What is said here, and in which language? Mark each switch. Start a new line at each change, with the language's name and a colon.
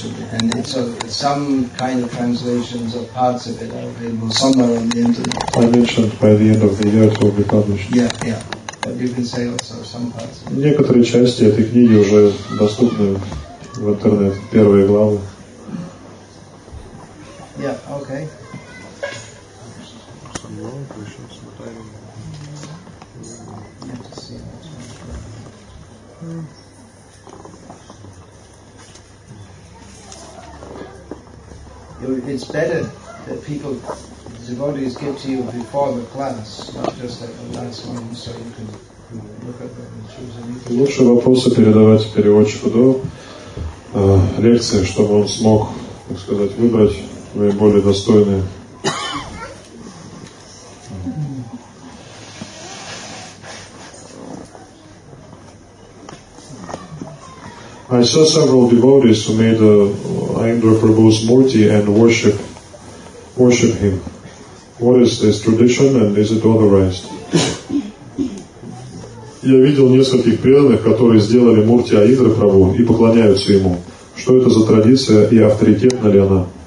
English: And it's some kind of translations of parts of it are available somewhere on the internet. I mentioned by the end of the year it will be published. Yeah, yeah. But you can say also some parts.
Russian: Некоторые части этой книги уже доступны в интернет. Первые главы.
English: Yeah. Okay. It's better that people, devotees, give to you before the class, not just at the last moment, so you can look at them and choose anything.
Russian: Лучше вопросы передавать переводчику до лекции, чтобы он смог, так сказать, выбрать наиболее достойные.
English: I saw several devotees who made Ayendra Prabhu's murti and worship him. What is this tradition and is it authorized?
Russian: Я видел нескольких преданных, которые сделали мурти Аиндры Прабху и поклоняются ему. Что это за традиция и авторитетна ли она?